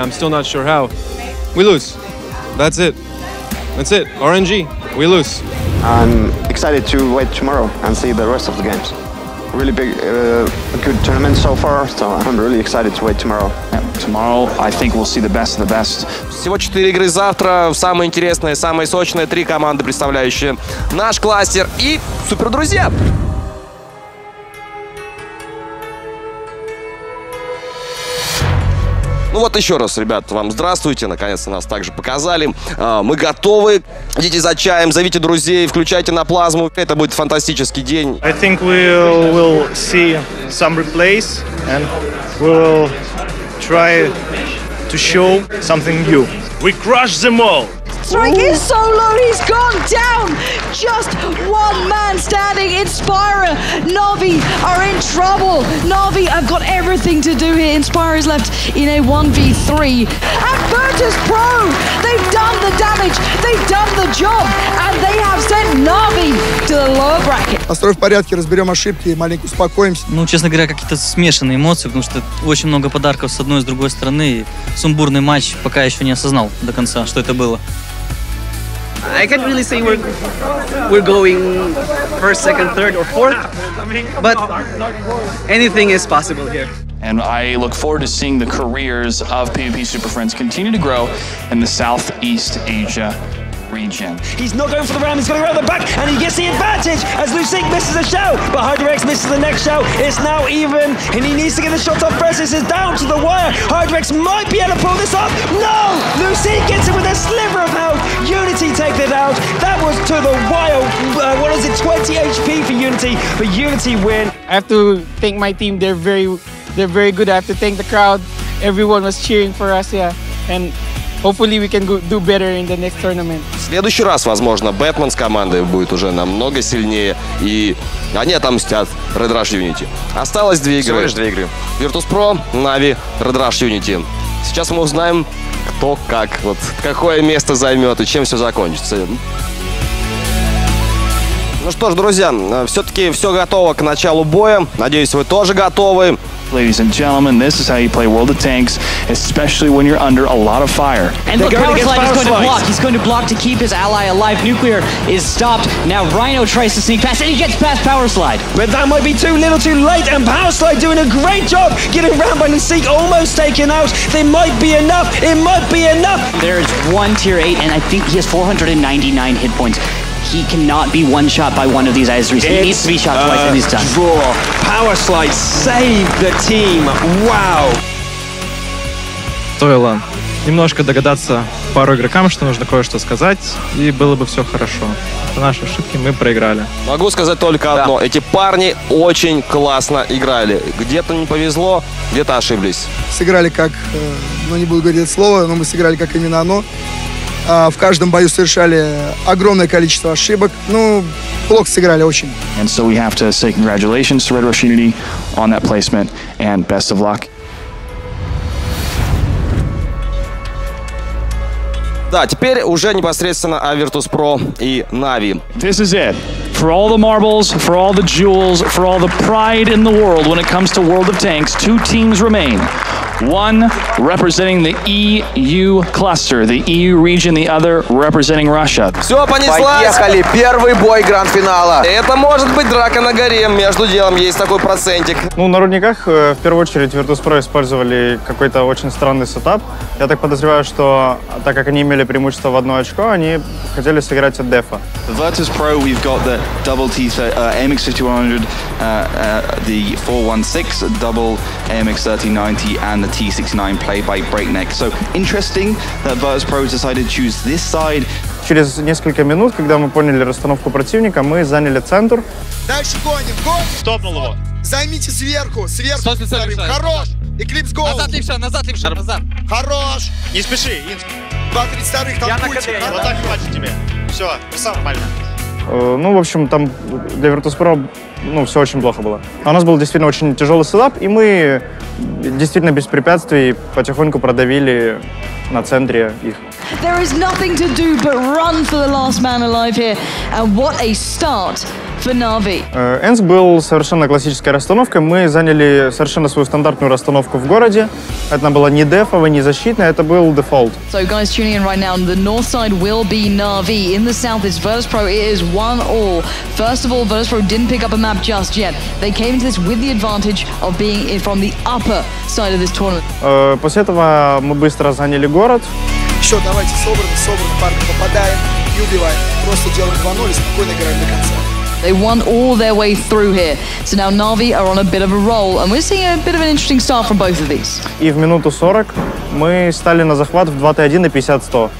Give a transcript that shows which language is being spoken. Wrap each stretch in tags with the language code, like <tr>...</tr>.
<en>I'm still not sure how. We lose. That's it. That's it. RNG. We lose. I'm excited to wait tomorrow and see the rest of the games. Really big, good tournament so far, so I'm really excited to wait tomorrow. Yeah, tomorrow, I think we'll see the best of the best.</en> <ru>Всего 4 игры завтра, самые интересные, самые сочные, 3 команды, представляющие наш кластер и супердрузья. Ну вот еще раз, ребят, вам здравствуйте. Наконец-то нас также показали. Мы готовы. Идите за чаем, зовите друзей, включайте на плазму. Это будет фантастический день.</ru> <en>I think we will see some replays and we will try to show something new. We crush them all. Strike is so low, he's gone down. Just one man standing. Inspira, Na'Vi are in trouble. Na'Vi have got everything to do here. Inspira is left in a 1v3. And Virtus Pro, they've done the damage, they've done the job, and they have sent Na'Vi to the lower bracket.</en> <ru>Построим в порядке, разберем ошибки, маленько успокоимся. Ну, честно говоря, какие-то смешанные эмоции, потому что очень много подарков с одной и с другой стороны. И сумбурный матч, пока я еще не осознал до конца, что это было.</ru> <en>I can't really say we're going first, second, third, or fourth, but anything is possible here. And I look forward to seeing the careers of PvP Super Friends continue to grow in the Southeast Asia regen. He's not going for the ram, he's going to go around the back, and he gets the advantage as Lusik misses a show, but Hydrex misses the next show. It's now even, and he needs to get the shot off first. This is down to the wire. Hydrex might be able to pull this off. No! Lusik gets it with a sliver of health. Unity take it out. That was to the wire. What is it, 20 HP for Unity, but Unity win. I have to thank my team. They're very good. I have to thank the crowd. Everyone was cheering for us, yeah. And hopefully we can do better in the next tournament.</en> <ru>В следующий раз, возможно, Бэтмен с командой будет уже намного сильнее, и они отомстят Red Rush Unity. Осталось две игры. Всего лишь две игры. Virtus.pro, Na'Vi, Red Rush Unity. Сейчас мы узнаем, кто как, вот какое место займет и чем все закончится. Ну что ж, друзья, все-таки все готово к началу боя. Надеюсь, вы тоже готовы.</ru> <en>Ladies and gentlemen, this is how you play World of Tanks, especially when you're under a lot of fire. And look, Powerslide is going to block. He's going to block to keep his ally alive. Nuclear is stopped. Now Rhino tries to sneak past, and he gets past Powerslide. But that might be too little too late, and Powerslide doing a great job getting around by Nuseek, almost taken out. There might be enough. It might be enough. There is one tier 8, and I think he has 499 hit points. He cannot be one shot by one of these Azeris. He needs to be shot twice and he's done. Draw. Power Slide save the team. Wow.</en> <ru>Стоило немножко догадаться пару игрокам, что нужно кое-что сказать, и было бы все хорошо. По нашей ошибке мы проиграли. Могу сказать только одно. Эти парни очень классно играли. Где-то не повезло, где-то ошиблись. Сыграли как, ну не буду говорить слово, но мы сыграли как именно оно. В каждом бою совершали огромное количество ошибок. Ну, плохо сыграли очень.</ru> <en>And so we have to say congratulations to Red Rush Unity on that placement and best of luck.</en> <ru>Да, теперь уже непосредственно о Virtus.pro и Na'Vi.</ru> <en>This is it. For all the marbles, for all the jewels, for all the pride in the world when it comes to World of Tanks, two teams remain. One representing the EU cluster, the EU region, the other representing Russia.</en> <ru>Все, понеслась. Поехали, первый бой гранд-финала. Это может быть драка на горе, между делом есть такой процентик. Ну, на рудниках в первую очередь Virtus.pro использовали какой-то очень странный сетап. Я так подозреваю, что так как они имели преимущество в одно очко, они хотели сыграть от дефа.</ru> <en>Virtus.pro, we've got the double T, AMX5100, the 416, double AMX3090 and the T69 played by Breakneck. So interesting that Virtus.pro decided to choose this side.</en> <ru>Через несколько минут, когда мы поняли расстановку противника, мы заняли центр. Дальше гоним, гоним! Стопнул его. Займите сверху, сверху. Стоп, стоп, стоп. Хорош! Eclipse Gold! Назад левша, назад левша, назад. Хорош! Не спеши, Инск. 2-3 старых, там пульчик. Вот так хватит тебе. Все, сам нормально. Ну, в общем, там для Virtus.pro, ну, все очень плохо было. У нас был действительно очень тяжелый сетап, и мы действительно без препятствий потихоньку продавили на центре их.</ru> <en>There is nothing to do but run for the last man alive here, and what a start for Na'Vi.</en> <ru>Энс был совершенно классической расстановкой. Мы заняли совершенно свою стандартную расстановку в городе. Это была не дефовая, не защитная, это был дефолт.</ru> <en>So guys tuning in right now, the north side will be Na'Vi. In the south is Virtus.pro. It is one all. First of all, Virtus.pro didn't pick up a map just yet. They came into this with the advantage of being from the upper side of this tournament.</en> <ru>После этого мы быстро заняли город. Все, давайте, собраны, парни, попадаем и убиваем. Просто делаем 2-0 и спокойно играем до конца.</ru> <en>They won all their way through here. So now Na'Vi are on a bit of a roll, and we're seeing a bit of an interesting start from both of these.</en> <ru>И в минуту 40 мы стали на захват в 2-1 и 50-100.</ru>